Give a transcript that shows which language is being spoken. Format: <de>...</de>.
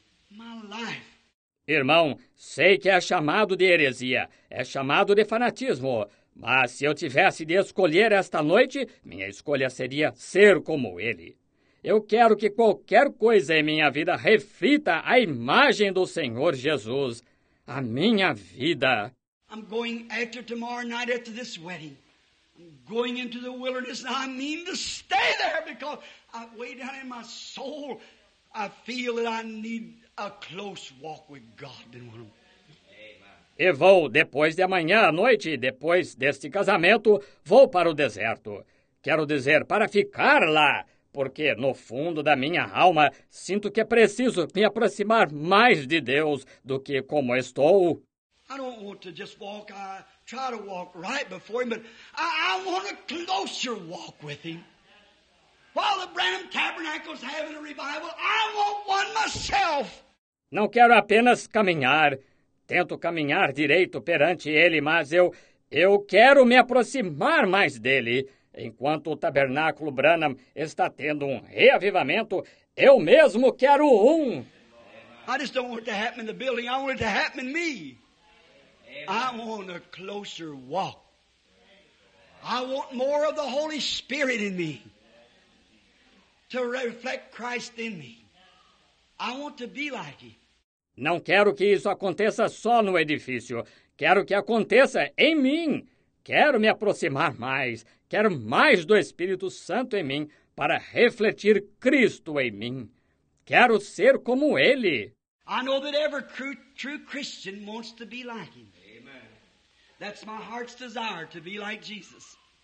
<en>My life.</en> <pt>Irmão, sei que é chamado de heresia, é chamado de fanatismo, mas se eu tivesse de escolher esta noite, minha escolha seria ser como ele. Eu quero que qualquer coisa em minha vida reflita a imagem do Senhor Jesus, a minha vida.</pt> <en>I'm going after tomorrow night after this wedding. I'm going into the wilderness and I mean to stay there because I way down in my soul, I feel that I need a close walk with God.</en> <pt>E vou, depois de amanhã à noite, depois deste casamento, vou para o deserto. Quero dizer, para ficar lá, porque no fundo da minha alma, sinto que é preciso me aproximar mais de Deus do que como estou.</pt> <en>I don't want to just walk, I try to walk right before him, but I want a closer walk with him. While the Branham Tabernacle's having a revival, I want one myself.</en> <pt>Não quero apenas caminhar. Tento caminhar direito perante ele, mas eu quero me aproximar mais dele. Enquanto o Tabernáculo Branham está tendo um reavivamento, eu mesmo quero um.</pt> <en>I just don't want it to happen in the building. I want it to happen in me. I want a closer walk. I want more of the Holy Spirit in me. To reflect Christ in me. I want to be like him.</en> <pt>Não quero que isso aconteça só no edifício. Quero que aconteça em mim. Quero me aproximar mais. Quero mais do Espírito Santo em mim para refletir Cristo em mim. Quero ser como Ele.</pt> <en>I know that every true Christian wants to be like him. Amen. That's my heart's desire, to be like Jesus.</en>